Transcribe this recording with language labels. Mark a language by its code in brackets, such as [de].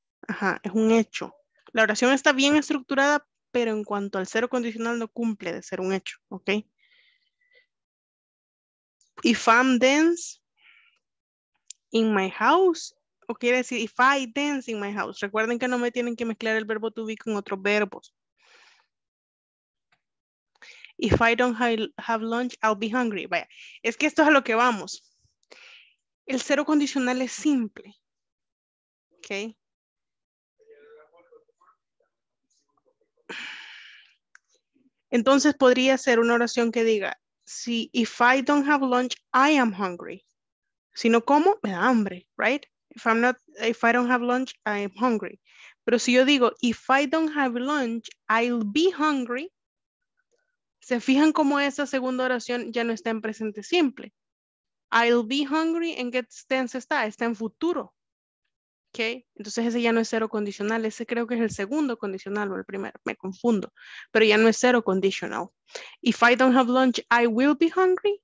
[es] Ajá, es un hecho. La oración está bien estructurada, pero en cuanto al cero condicional no cumple de ser un hecho. ¿Ok? [en] If I'm dense in my house. [es] O quiere decir, [en] if I dance in my house. [es] Recuerden que no me tienen que mezclar el verbo to be con otros verbos. [en] If I don't have lunch, I'll be hungry. [es] Vaya, es que esto es a lo que vamos. El cero condicional es simple. Ok. Entonces podría ser una oración que diga, si, [en] if I don't have lunch, I am hungry. [es] Si no como, me da hambre, right? [en] If I don't have lunch, I am hungry. [es] Pero si yo digo, [en] if I don't have lunch, I'll be hungry. [es] ¿Se fijan cómo esa segunda oración ya no está en presente simple? [en] I'll be hungry, [es] ¿en qué tense está? Está en futuro. ¿Ok? Entonces ese ya no es cero condicional. Ese creo que es el segundo condicional o el primero. Me confundo. Pero ya no es cero condicional. [en] If I don't have lunch, I will be hungry.